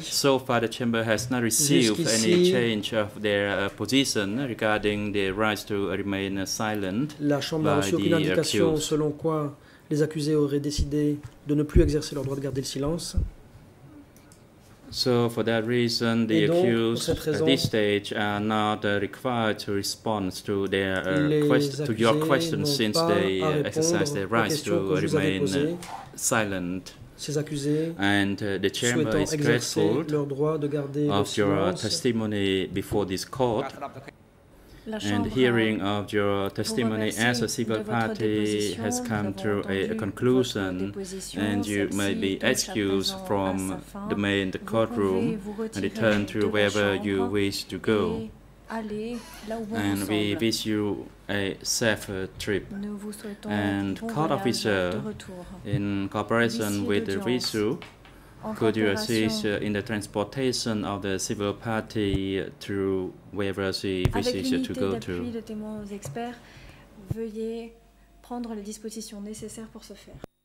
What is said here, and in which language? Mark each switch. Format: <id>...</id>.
<en>So far, the Chamber has not received any change of their position regarding the right to remain silent.</en> <fr>La Chambre n'a reçu aucune indication selon quoi les accusés auraient décidé de ne plus exercer leur droit de garder le silence.</fr> <en>So for that reason, the accused at this stage are not required to respond to their to your questions since they exercise their right to remain silent.</en> <fr>Ces accusés</fr> <en>and the chamber is grateful</en> <fr>leur droit de garder</fr> <en>of your testimony before this court. And hearing of your testimony as a civil party has come to a conclusion, and you may be excused from the main courtroom and return to wherever you wish to go. And we wish you a safe trip. And court officer, in cooperation with the visu, could you assist in the transportation of the civil party to wherever she wishes to go to?</en> <fr>Avec l'unité d'appui de témoins experts, veuillez prendre les dispositions nécessaires pour ce faire.</fr>